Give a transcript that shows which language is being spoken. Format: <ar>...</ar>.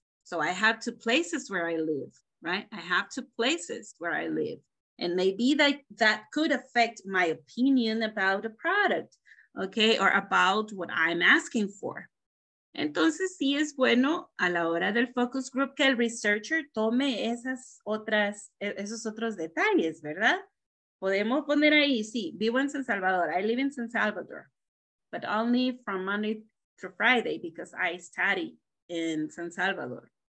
<en>So I have two places where I live, right? I have two places where I live. And maybe that could affect my opinion about a product, okay? Or about what I'm asking for.</en> <es>Entonces, sí es bueno a la hora del focus group que el researcher tome esos otros detalles, ¿verdad? Podemos poner ahí, sí, vivo en San Salvador.</es> <en>I live in San Salvador, but only from Monday to Friday because I study in San Salvador.</en>